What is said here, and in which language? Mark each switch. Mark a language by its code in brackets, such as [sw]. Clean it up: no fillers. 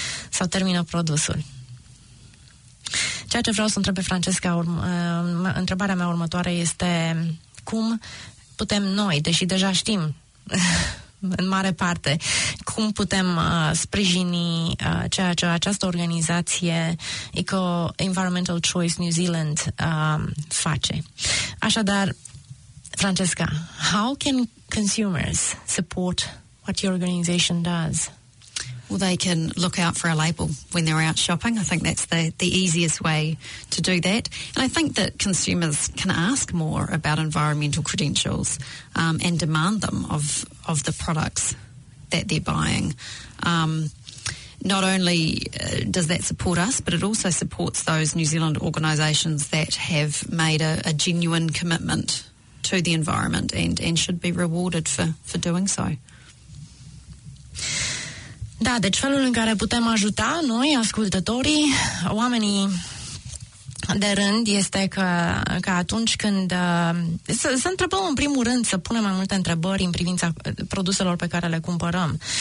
[ro] Sau termină produsul. Ceea ce vreau să întreb pe Francesca, întrebarea mea următoare este cum putem noi, deși deja știm în mare parte, cum putem sprijini ceea ce această organizație Eco Environmental Choice New Zealand face. Așadar, [en] Francesca, how can consumers support what your organization does? Well, they can look out for a label when they're out shopping. I think that's the easiest way to do that. And I think that consumers can ask more about environmental credentials and demand them of the products that they're buying. Not only does that support us, but it also supports those New Zealand organisations that have made a genuine commitment to the environment and should be rewarded for doing so. [ro] Da, deci felul în care putem ajuta noi, ascultătorii, oamenii de rând, este că atunci când... Să întrebăm în primul rând, să punem mai multe întrebări în privința produselor pe care le cumpărăm.